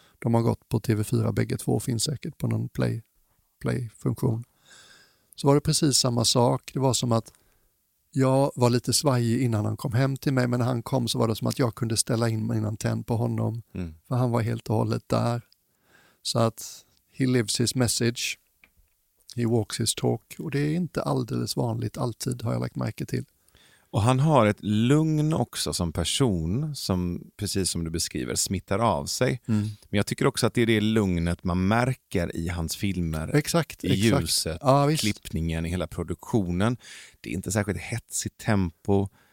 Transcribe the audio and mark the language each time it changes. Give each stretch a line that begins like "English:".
Swedish: De har gått på TV4, bägge två finns säkert på någon play-funktion. Så var det precis samma sak. Det var som att jag var lite svajig innan han kom hem till mig. Men när han kom så var det som att jag kunde ställa in min antenn på honom. Mm. För han var helt och hållet där. Så att
English: he lives his message. He walks his talk.
Swedish: Och det är inte alldeles vanligt alltid, har jag lagt märke till. Och han har ett lugn också som person som, precis som du beskriver, smittar av sig. Mm. Men jag tycker också att det är det lugnet man märker i hans filmer. Exakt. I ljuset, klippningen, i hela produktionen. Det är inte särskilt hetsigt tempo.